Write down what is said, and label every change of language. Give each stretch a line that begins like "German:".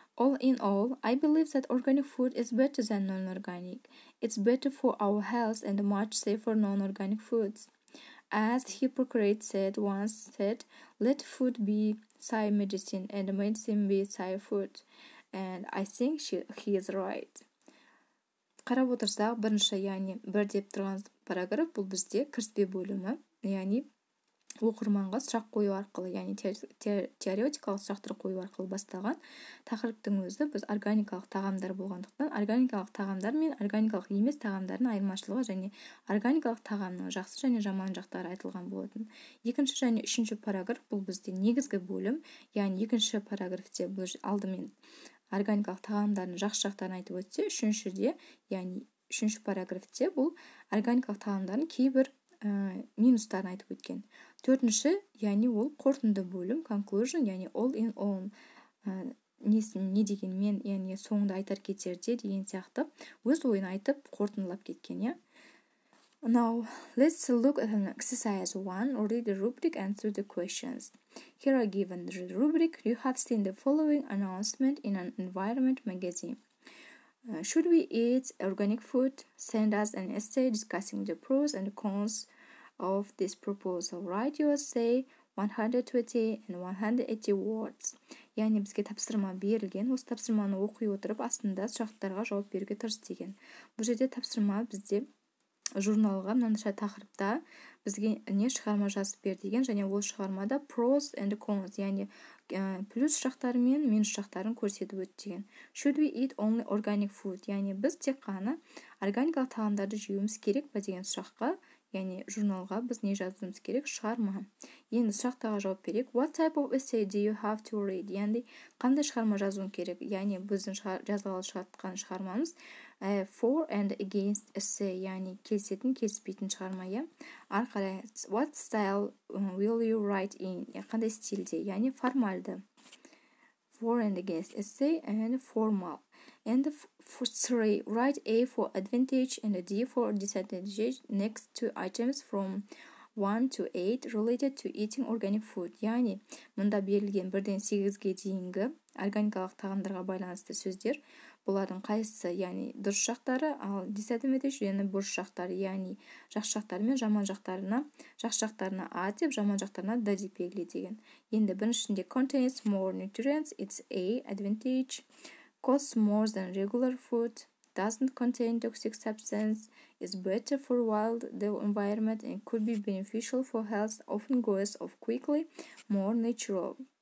English: All in all, I believe that organic food is better than non-organic. It's better for our health and much safer non-organic foods. As Hippocrates once said, let food be thy medicine and medicine be thy food. And I think he is right.
Kazakh: Қарап отырсақ, бірінші, яғни бір деп тұрған параграф, бұл бізде кіріспе бөлімі, яғни оқырманға сұрақ қою арқылы, яғни теоретикалық сұрақтар қою арқылы басталған тақырыптың өзі біз органикалық тағамдар болғандықтан, органикалық тағамдар мен органикалық емес тағамдардың айырмашылығы және органикалық тағамның жақсы және жаман жақтары айтылған болатын. Екінші және үшінші параграф бұл бізде негізгі бөлім, яғни екінші параграфте бұл алдымен органикалық тағамдардың жақсы жақтарын айтып өтсе, үшіншіде, яғни үшінші параграфте бұл органикалық тағамдардың кейбір минустарын айтып өткен. Төртінші, яғни ол қорытынды бөлім, conclusion, яғни
English: all in all,
Kazakh: не деген мен, яғни соңында айтар кетерде деген сияқты, өз ойын айтып қорытындылап кеткен, я?
English: Now, let's look at an exercise 1 or read the rubric and answer the questions. Here are given the rubric. You have seen the following announcement in an environment magazine. Should we eat organic food? Send us an essay discussing the pros and cons of this proposal. Write your essay 120 and 180 words.
Kazakh: Яғни бізге тапсырма берілген, осы тапсырманы оқи отырып, астында сұрақтарға жауап берге тұрсы деген. Бұл жерде тапсырма бізде журналға мынандай тақырыпта бізге не шығарма жазып бер деген және ол шығармада
English: pros and cons,
Kazakh: яғни плюс жақтары мен минус жақтарын көрсетіп өт деген.
English: Should we eat only organic food?
Kazakh: Яғни біз тек қана органикалық тағамдарды жеуіміз керек па деген сұраққа, яғни журналға біз не жазуымыз керек, шығарма. Енді сұрақтарға жауап берейік.
English: What type of essay do you have to read?
Kazakh: Яғни қандай шығарма жазуым керек? Яғни біздің жазғалы шығатқан шығармамыз
English: for and against essay,
Kazakh: яғни келісетін келіспейтін шығарма, я? Арқалай,
English: what style will you write in?
Kazakh: Қандай стилде? Яғни формальды.
English: For and against essay and formal. And for 3, write A for advantage and D for disadvantage next to items from 1 to 8 related to eating organic food.
Kazakh: Яғни мұнда берілген 1-ден 8-ге дейінгі органикалық тағамдарға байланысты сөздер. Бұлардың қайсысы, яғни дұрыс жақтары, ал disadvantage және бұрыс жақтары, яғни жақсы жақтары мен жаман жақтарына, жақсы жақтарына A деп, жаман жақтарына D деп белгіле деген. Енді біріншінде
English: contains more nutrients, it's A, advantage, costs more than regular food, doesn't contain toxic substance, is better for wild the environment and could be beneficial for health, often goes off quickly, more natural.